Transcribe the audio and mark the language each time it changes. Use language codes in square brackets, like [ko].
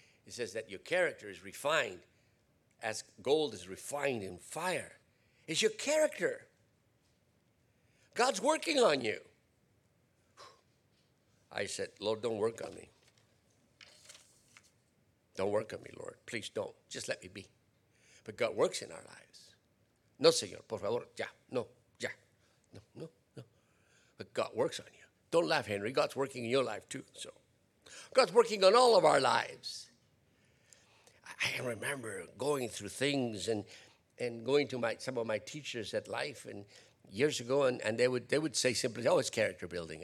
[en] It says that your character is refined as gold is refined in fire. It's your character. God's working on you. I said, Lord, don't work on me. Don't work on me, Lord. Please don't. Just let me be. But God works in our lives. [es] No, Señor, por favor, ya, no, ya. [en] No, no, no. But God works on you. Don't laugh, Henry. God's working in your life, too. So God's working on all of our lives. I remember going through things and going to some of my teachers at Life and years ago, and they would say simply, oh, it's character building.